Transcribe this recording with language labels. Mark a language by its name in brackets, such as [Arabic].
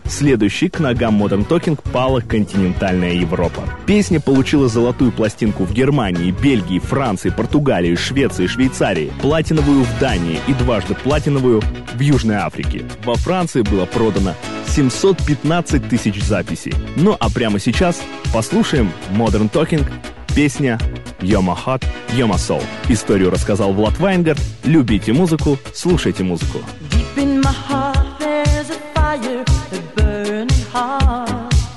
[Russian] Следующий к ногам Modern Talking пала континентальная Европа. Песня получила золотую пластинку в Германии, Бельгии, Франции, Португалии, Швеции, Швейцарии, платиновую в Дании и дважды платиновую в Южной Африке. Во Франции было продано 715 тысяч записей. Ну а прямо сейчас послушаем Modern Talking, песня «You're my heart, you're my soul». Историю рассказал Влад Вайнгард. Любите музыку, слушайте музыку. [English] Deep in my heart there's a fire, a burning heart.